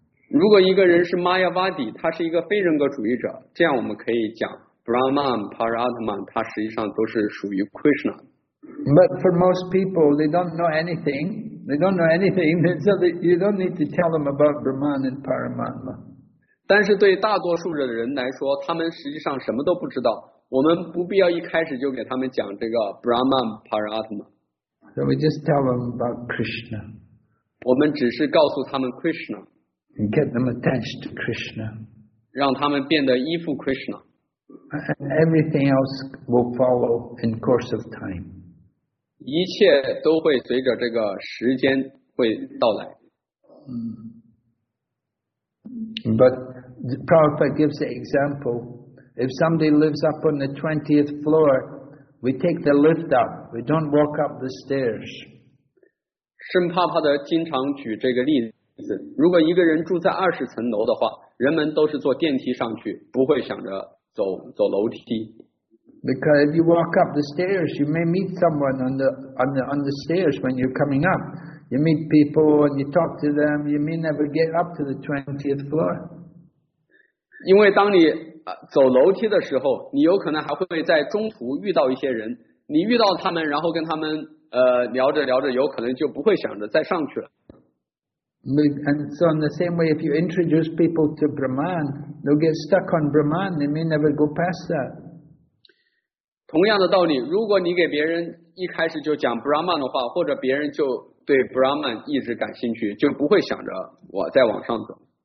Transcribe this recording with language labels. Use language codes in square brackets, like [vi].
[zh] 如果一个人是 Mayavadi， 他是一个非人格主义者，这样我们可以讲。 Brahman, Paramatman, 它实际上都是属于 Krishna. [en] But for most people, they don't know anything. They don't know anything, so you don't need to tell them about Brahman and Paramatma. [zh] 但是对大多数的人来说，他们实际上什么都不知道。我们不必要一开始就给他们讲这个 Brahman, Paramatma. [en] So we just tell them about Krishna. [zh] 我们只是告诉他们 Krishna. [en] And get them attached to Krishna. [zh] 让他们变得依附 Krishna. [en] And everything else will follow in course of time. [zh] 一切都会随着这个时间会到来。 [en] But Prabhupada gives the example. If somebody lives up on the 20th floor, we take the lift up. We don't walk up the stairs. [zh] 圣帕帕德经常举这个例子。如果一个人住在20层楼的话，人们都是坐电梯上去，不会想着走楼梯。 [en] Because if you walk up the stairs, you may meet someone on the stairs when you're coming up. You meet people and you talk to them. You may never get up to the 20th floor. [zh] 因为当你走楼梯的时候，你有可能还会在中途遇到一些人。你遇到他们，然后跟他们聊着聊着，有可能就不会想着再上去了。 [en] And so in the same way, if you introduce people to Brahman, they'll get stuck on Brahman. They may never go past that. [zh] 同样的道理，如果你给别人一开始就讲 Brahman 的话，或者别人就对 Brahman 一直感兴趣，就不会想着我再往上走。